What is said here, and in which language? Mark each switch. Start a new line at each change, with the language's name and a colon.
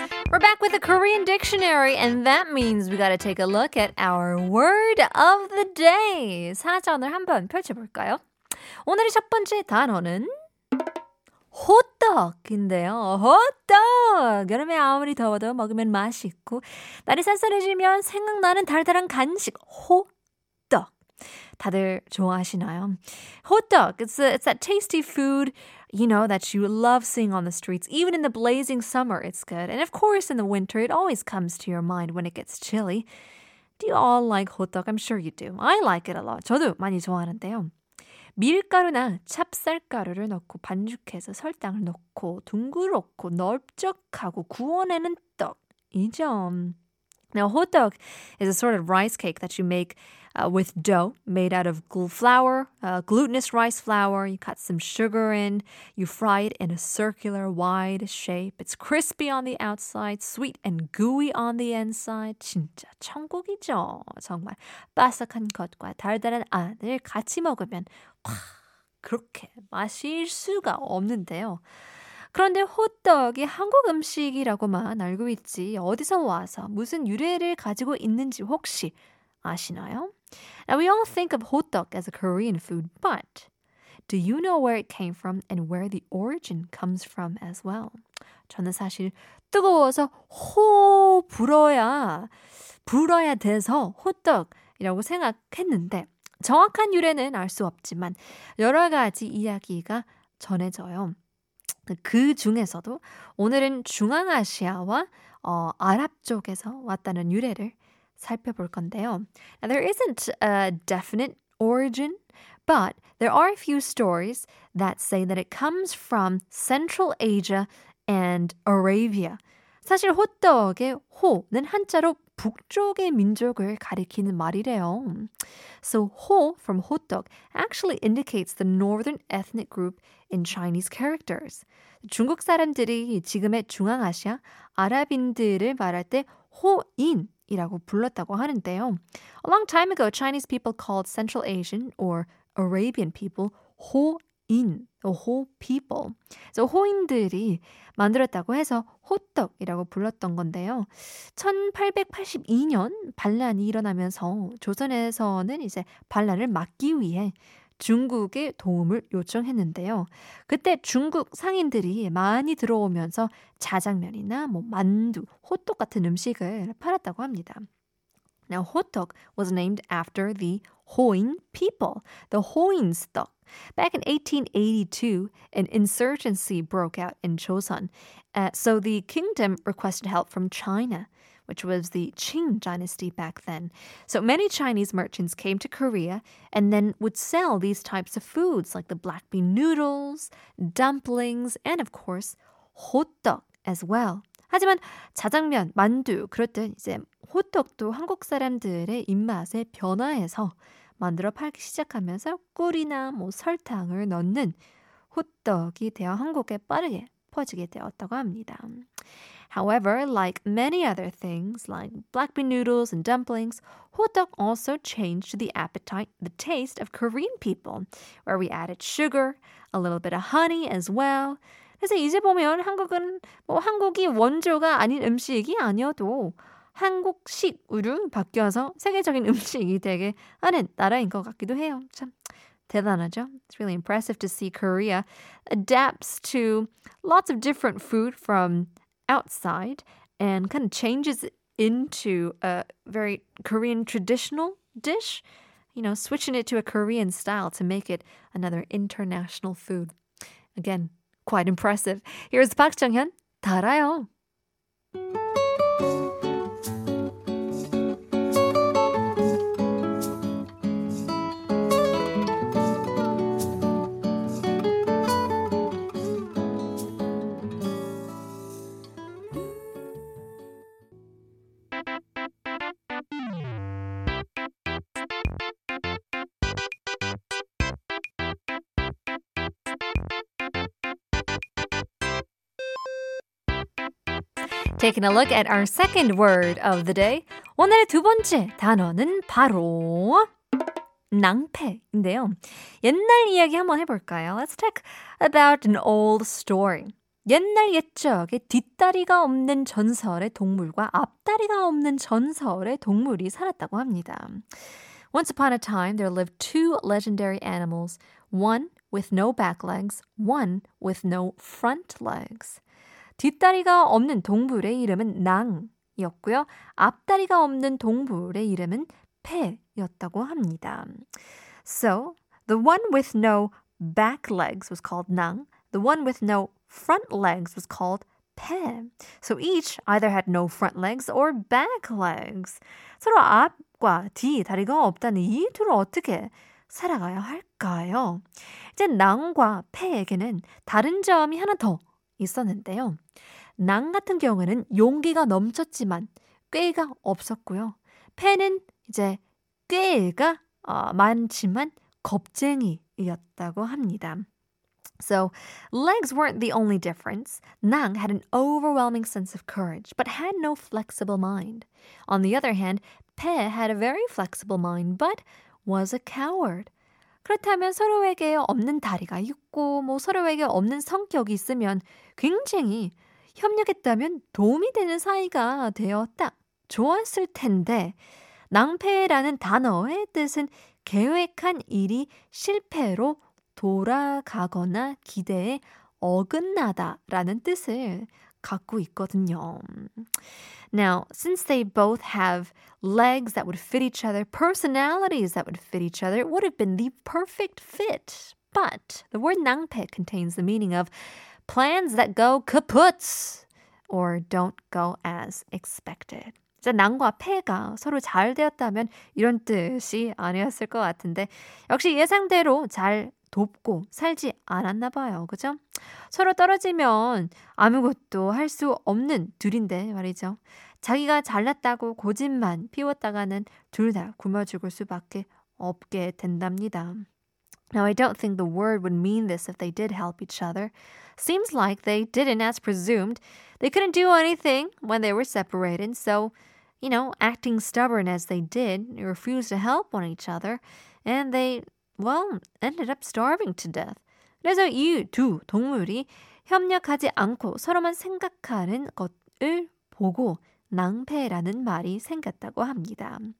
English: we're back with the Korean dictionary, and that means we got to take a look at our word of the day.
Korean: 사전을 한번 펼쳐볼까요? 오늘의 첫 번째 단어는 호떡인데요. 호떡! 여름에 아무리 더워도 먹으면 맛있고 날이 쌀쌀해지면 생각나는 달달한 간식, 호떡. 다들 좋아하시나요?
English: Hotdog, it's that tasty food, you know, that you love seeing on the streets. Even in the blazing summer, it's good. And of course, in the winter, it always comes to your mind when it gets chilly. Do you all like hotdog? I'm sure you do. I like it a lot.
Korean: 저도 많이 좋아하는데요. 밀가루나 찹쌀가루를 넣고 반죽해서 설탕을 넣고 둥그렇고 넓적하고 구워내는 떡이죠.
English: Now, hotdog is a sort of rice cake that you make with dough made out of flour, glutinous rice flour. You cut some sugar in. You fry it in a circular, wide shape. It's crispy on the outside, sweet and gooey on the inside.
Korean: 진짜 천국이죠. 정말 바삭한 겉과 달달한 안을 같이 먹으면 그렇게 마실 수가 없는데요. 그런데 호떡이 한국 음식이라고만 알고 있지 어디서 와서 무슨 유래를 가지고 있는지 혹시 아시나요?
English: Now we all think of hotdog as a Korean food, but do you know where it came from and where the origin comes from as well?
Korean: 저는 사실 뜨거워서 호 불어야 돼서 호떡이라고 생각했는데 정확한 유래는 알 수 없지만 여러 가지 이야기가 전해져요. 그 중에서도 오늘은 중앙아시아와 아랍 쪽에서 왔다는 유래를 살펴볼 건데요.
English: Now, there isn't a definite origin, but there are a few stories that say that it comes from Central Asia and Arabia.
Korean: 사실 호떡의 호는 한자로 북쪽의 민족을 가리키는 말이래요.
English: So, ho from hotdog actually indicates the northern ethnic group in Chinese characters.
Korean: 중국 사람들이 지금의 중앙아시아 아랍인들을 말할 때 호인이라고 불렀다고 하는데요.
English: A long time ago, Chinese people called Central Asian or Arabian people 호인, the ho people.
Korean: So, 호인들이 만들었다고 해서 호떡이라고 불렀던 건데요. 1882년 반란이 일어나면서 조선에서는 이제 반란을 막기 위해 중국의 도움을 요청했는데요. 그때 중국 상인들이 많이 들어오면서 자장면이나 뭐 만두, 호떡 같은 음식을 팔았다고 합니다.
English: Now, hotdog was named after the Hoin people, the Hoin's dog. Back in 1882, an insurgency broke out in Joseon. So the kingdom requested help from China, which was the Qing dynasty back then. So many Chinese merchants came to Korea and then would sell these types of foods like the black bean noodles, dumplings, and of course, hotdog as well.
Korean: 하지만 자장면, 만두, 그랬던 이제 호떡도 한국 사람들의 입맛에 변화해서 만들어 팔기 시작하면서 꿀이나 뭐 설탕을 넣는 호떡이 되어 한국에 빠르게 퍼지게 되었다고 합니다.
English: However, like many other things, like black bean noodles and dumplings, hotdog also changed the appetite, the taste of Korean people, where we added sugar, a little bit of honey as well.
Korean: 그래서 이제 보면 한국은 뭐 한국이 원조가 아닌 음식이 아니어도 한국식으로 바뀌어서 세계적인 음식이 되게 하는 나라인 것 같기도 해요. 참 대단하죠?
English: It's really impressive to see Korea adapts to lots of different food from outside and kind of changes into a very Korean traditional dish, you know, switching it to a Korean style to make it another international food. Again, quite impressive. Here's Park Jung-hyun, 달아요. Taking a look at our second word of the day.
Korean: 오늘의 두 번째 단어는 바로 낭패인데요. 옛날 이야기 한번 해볼까요?
English: Let's talk about an old story.
Korean: 옛날 옛적에 뒷다리가 없는 전설의 동물과 앞다리가 없는 전설의 동물이 살았다고 합니다.
English: Once upon a time, there lived two legendary animals, one with no back legs, one with no front legs.
Korean: 뒷다리가 없는 동물의 이름은 낭이었고요. 앞다리가 없는 동물의 이름은 폐였다고 합니다.
English: So, the one with no back legs was called 낭. The one with no front legs was called 폐. So each either had no front legs or back legs.
Korean: 서로 앞과 뒤 다리가 없다는 이 둘 어떻게 살아가야 할까요? 이제 낭과 폐에게는 다른 점이 하나 더 있었는데요. 낭 같은 경우는 용기가 넘쳤지만 꾀가 없었고요. 폐는 이제 꾀가 많지만 겁쟁이였다고 합니다.
English: So, legs weren't the only difference. Nang had an overwhelming sense of courage, but had no flexible mind. On the other hand, Pe had a very flexible mind, but was a coward.
Korean: 그렇다면 서로에게 없는 다리가 있고, 뭐 서로에게 없는 성격이 있으면 굉장히 협력했다면 도움이 되는 사이가 되었다. 좋았을 텐데, 낭패라는 단어의 뜻은 계획한 일이 실패로 돌아가거나 기대에 어긋나다라는 뜻을 갖고 있거든요.
English: Now, since they both have legs that would fit each other, personalities that would fit each other, it would have been the perfect fit. But the word 낭패 contains the meaning of plans that go kaput or don't go as expected.
Korean: 낭과 폐가 서로 잘 되었다면 이런 뜻이 아니었을 것 같은데 역시 예상대로 잘 돕고 살지 않았나 봐요. 그죠? 서로 떨어지면 아무것도 할 수 없는 둘인데 말이죠. 자기가 잘났다고 고집만 피웠다가는 둘 다 굶어 죽을 수밖에 없게 된답니다.
English: Now, I don't think the word would mean this if they did help each other. Seems like they didn't as presumed. They couldn't do anything when they were separated. So, you know, acting stubborn as they did, they refused to help one each other. And they, well, ended up starving to death.
Korean: 그래서 이 두 동물이 협력하지 않고 서로만 생각하는 것을 보고 낭패라는 말이 생겼다고 합니다.